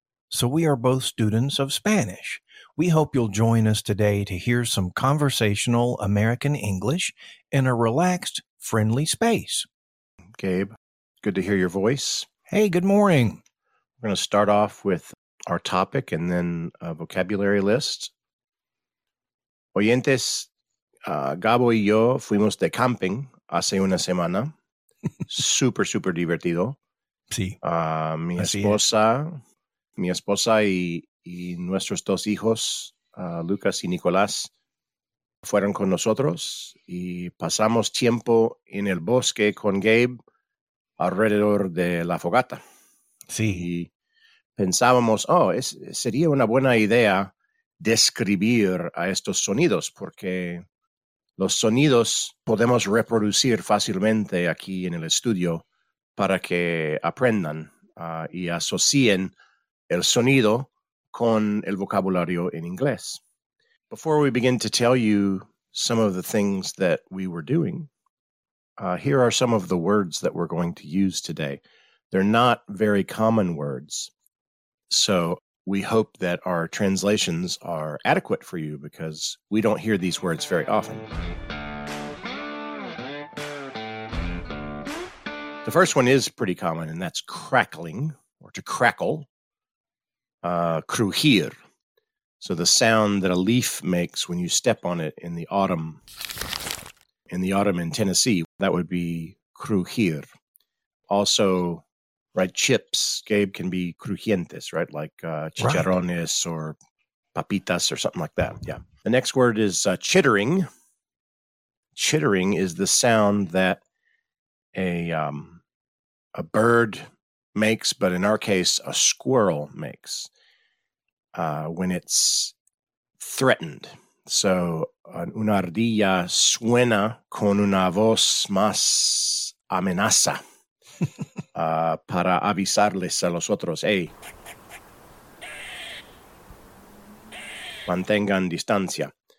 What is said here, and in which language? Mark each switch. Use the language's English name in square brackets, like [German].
[English] So we are both students of Spanish. We hope you'll join us today to hear some conversational American English in a relaxed, friendly space. Gabe, good to hear your voice. Hey, good morning. We're going to start off with our topic and then a vocabulary list. [Spanish] Oyentes, Gabo y yo fuimos de camping hace una semana. Super, super divertido. Sí. Mi esposa y nuestros dos hijos, Lucas y Nicolás, fueron con nosotros y pasamos tiempo en el bosque con Gabe alrededor de la fogata. Sí. Y pensábamos, sería una buena idea describir a estos sonidos, porque los sonidos podemos reproducir fácilmente aquí en el estudio para que aprendan y asocien el sonido con el vocabulario en inglés. [English] Before we begin to tell you some of the things that we were doing, here are some of the words that we're going to use today. They're not very common words, so we hope that our translations are adequate for you because we don't hear these words very often. The first one is pretty common, and that's crackling, or to crackle. Crujir. So the sound that a leaf makes when you step on it in the autumn in Tennessee, that would be crujir. Also, right, chips, Gabe, can be crujientes, right? Like chicharrones, right, or papitas or something like that. Yeah. The next word is chittering. Chittering is the sound that a bird makes, but in our case, a squirrel makes. When it's threatened. [Spanish] So una ardilla suena con una voz más amenaza para avisarles a los otros, hey, mantengan distancia.